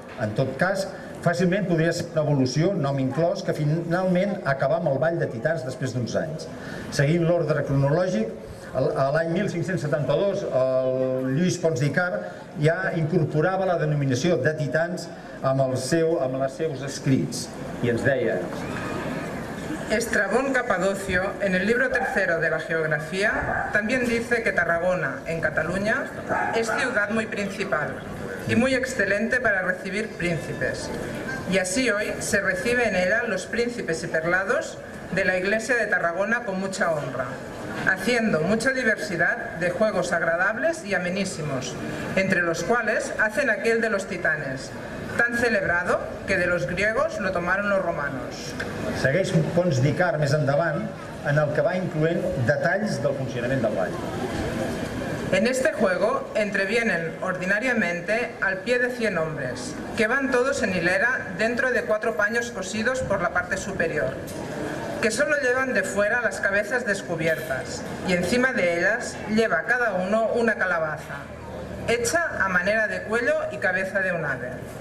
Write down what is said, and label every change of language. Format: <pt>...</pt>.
<ca>En tot cas, fàcilment podria ser una evolució, nom inclòs, que finalment acabà amb el ball de titans després d'uns anys. Seguint l'ordre cronològic, l'any 1572, el Lluís Pons d'Icar ja incorporava la denominació de titans amb els seus escrits, i ens deia...</ca> <es>Estrabón Capadocio, en el libro tercero de la geografía, también dice que Tarragona, en Cataluña, es ciudad muy principal y muy excelente para recibir príncipes. Y así hoy se reciben en ella los príncipes y perlados de la iglesia de Tarragona con mucha honra, haciendo mucha diversidad de juegos agradables y amenísimos, entre los cuales hacen aquel de los titanes, tan celebrado que de los griegos lo tomaron los romanos.</es> <ca>Segueix Pons d'Icar més endavant, en el que va incloent detalls del funcionament del ball.</ca> <es>En este juego entrevienen ordinariamente al pie de 100 hombres, que van todos en hilera dentro de 4 paños cosidos por la parte superior, que solo llevan de fuera las cabezas descubiertas, y encima de ellas lleva cada uno una calabaza, hecha a manera de cuello y cabeza de un ave.</es>